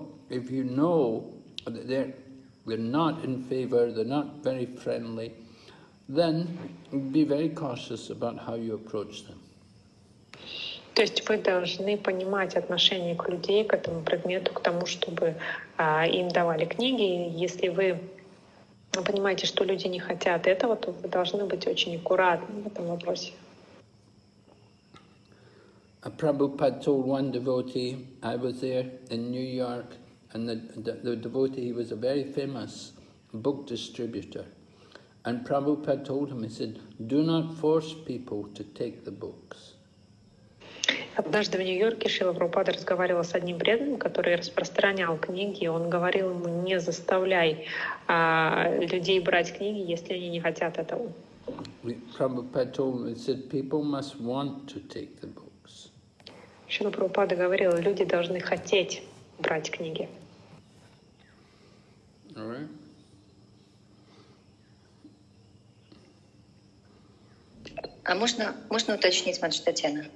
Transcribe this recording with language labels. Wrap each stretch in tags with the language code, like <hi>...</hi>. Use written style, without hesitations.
<en>If you know that they're not in favor, they're not very friendly, then be very cautious about how you approach them.</en> <ru>То есть вы должны понимать отношение к людей, к этому предмету, к тому, чтобы им давали книги. Если вы понимаете, что люди не хотят этого, то вы должны быть очень аккуратны в этом вопросе.</ru> <en>A Prabhupada told one devotee, I was there in New York, and the devotee, he was a very famous book distributor. And Prabhupada told him, he said, do not force people to take the books.</en> <ru>Однажды в Нью-Йорке Шрила Прабхупада разговаривал с одним преданным, который распространял книги, и он говорил ему, не заставляй людей брать книги, если они не хотят этого.</ru> <en>Prabhupada told him, he said, people must want to take the books.</en> <ru>Шрила Прабхупада говорил, люди должны хотеть брать книги.</ru> <en>All right.</en> <ru>А можно уточнить, Матушка Татьяна?</ru>